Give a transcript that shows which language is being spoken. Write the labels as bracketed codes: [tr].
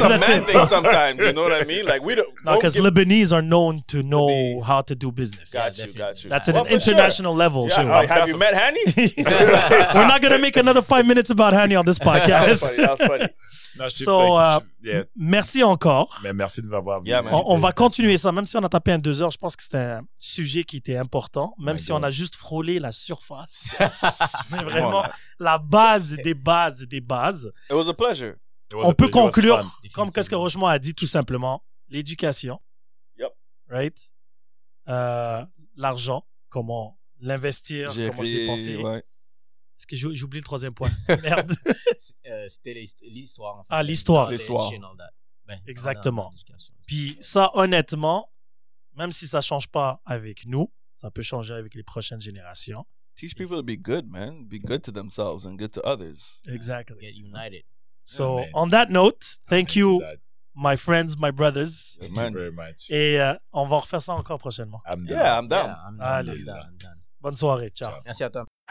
[en] I think it's a man thing sometimes. You know what I mean? Like we don't. No, because Lebanese are known to know how to do business. Got you. That's an international level. Yeah, too. Have you met Hani? We're not gonna make another 5 minutes about Hani on this podcast. That was funny. [fr] Non, so, merci encore. Mais merci de nous avoir venu. Yeah, on va continuer ça, même si on a tapé un 2 heures. Je pense que c'était un sujet qui était important, même si on a juste frôlé la surface. Mais vraiment, la base des bases des bases. [en] It was a pleasure. [fr] On peut conclure comme qu'est-ce que Rochemont a dit tout simplement. L'éducation. [en] Yep. [fr] Right. L'argent. Comment l'investir. J'ai comment le dépenser. Ouais. Parce que j'ai oublié le troisième point. Merde. C'était l'histoire. En fait. Ah, l'histoire. L'histoire. Exactement. Puis ça, honnêtement, même si ça ne change pas avec nous, ça peut changer avec les prochaines générations. [en] Teach people to be good, man. Be good to themselves and good to others. Exactly. Get united. So, yeah, on that note, thank you, my friends, my brothers. Thank you very much. [fr] Et on va refaire ça encore prochainement. [en] I'm down. Yeah, I'm down. [fr] Bonne soirée. Ciao. Merci à toi.